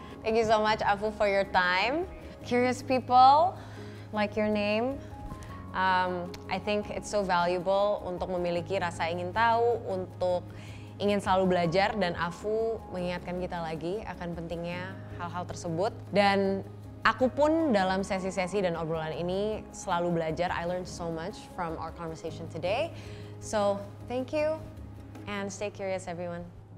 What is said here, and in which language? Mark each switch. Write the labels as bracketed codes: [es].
[en] Thank you so much, Afu, for your time. Curious people, like your name. I think it's so valuable [id] untuk memiliki rasa ingin tahu, untuk ingin selalu belajar, dan Afu mengingatkan kita lagi akan pentingnya hal-hal tersebut. Dan aku pun dalam sesi-sesi dan obrolan ini selalu belajar. [en] I learned so much from our conversation today. So, thank you and stay curious, everyone.